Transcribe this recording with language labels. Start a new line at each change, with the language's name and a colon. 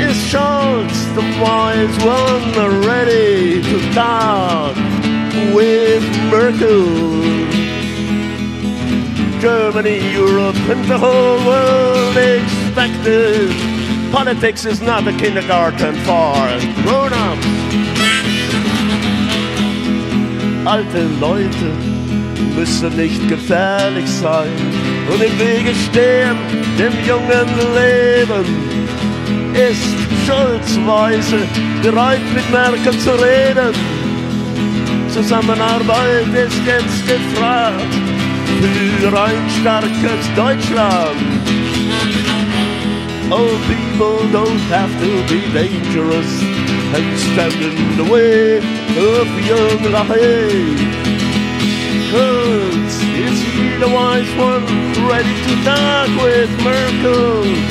English: Is Schulz the wise one ready to talk with Merkel? Germany, Europe and the whole world expect it. Politics is not a kindergarten for grown-ups.
German: Alte Leute müssen nicht gefährlich sein und im Wege stehen dem jungen Leben. Ist Schulz weise, bereit mit Merkel zu reden? Zusammenarbeit ist jetzt gefragt für ein starkes Deutschland.
English: Old people don't have to be dangerous and stand in the way of young life. Schulz, is he the wise one ready to talk with Merkel?